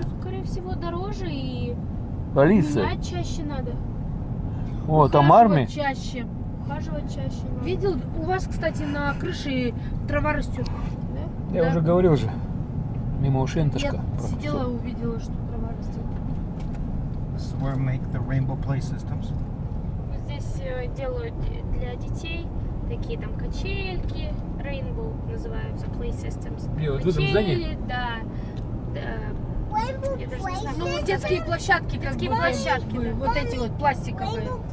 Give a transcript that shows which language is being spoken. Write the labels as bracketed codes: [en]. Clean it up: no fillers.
[ru] Ну, скорее всего, дороже и... Полиция. Менять чаще надо. О, там армия. Ухаживать чаще. Надо. Видел, у вас, кстати, на крыше трава растет. Да? Я да. Уже говорил же. Мимо ушей Антошка. Я сидела, увидела, что трава растет. [en] This is where make the rainbow play systems. [ru] Вот здесь делают для детей такие там качельки. Rainbow называются Play Systems. Вот в этом здании? Да. Rainbow я даже не знаю. Ну, детские площадки. Детские площадки. Да. Вот эти вот пластиковые.